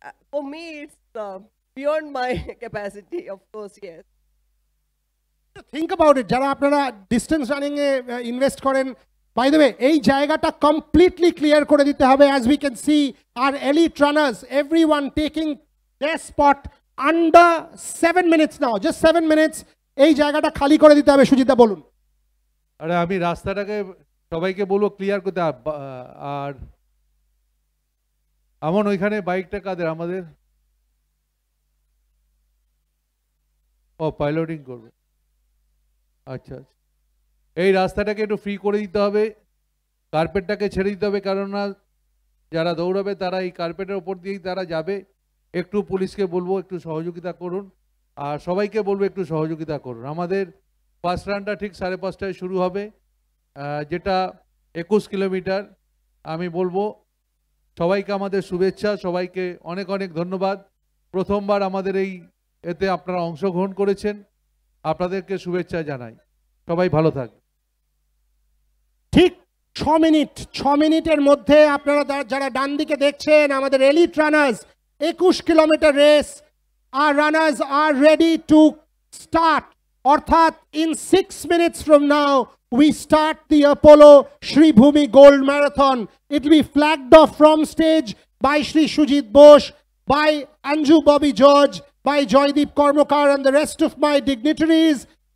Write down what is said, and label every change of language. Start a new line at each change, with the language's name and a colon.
English: For me, it's beyond my capacity, of course, yes. Think about it,
Bangla: jara apnara
English: distance running invest koren. By the way,
Bangla: ei jayga ta completely clear kore dite hobe,
English: as we can see our elite runners, everyone taking their spot. Under 7 minutes now, just 7 minutes,
Bangla: এই জায়গাটা খালি করে দিতে হবে। সুজিতা বলুন। আরে আমি রাস্তাটাকে সবাইকে বলবো ক্লিয়ার করতে, আর আমার ওইখানে বাইকটা কাদের আমাদের ও পাইলটিং করবে। আচ্ছা, এই রাস্তাটাকে একটু ফ্রি করে দিতে হবে, কার্পেটটাকে ছেড়ে দিতে হবে, কারণ না যারা দৌড়াবে তারা এই কার্পেটের ওপর দিয়েই তারা যাবে। একটু পুলিশকে বলবো একটু সহযোগিতা করুন, আর সবাইকে বলবো একটু সহযোগিতা করুন। আমাদের ফার্স্ট রানটা ঠিক 5:30 শুরু হবে, যেটা 21 কিলোমিটার। আমি বলবো সবাইকে আমাদের শুভেচ্ছা, সবাইকে অনেক অনেক ধন্যবাদ, প্রথমবার আমাদের এই এতে আপনারা অংশগ্রহণ করেছেন, আপনাদেরকে শুভেচ্ছা জানাই, সবাই ভালো থাক। ঠিক 6 মিনিটের মধ্যে আপনারা যারা ডান দিকে দেখছেন আমাদের elite runners, 21 kilometre race,
English: our runners are ready to start. Orthat, in 6 minutes from now, we start the Apollo Sreebhumi Gold Marathon. It will be flagged off from stage by Shri Sujit Bose, by Anju Bobby George, by Joydeep Kormokar and the rest of my dignitaries.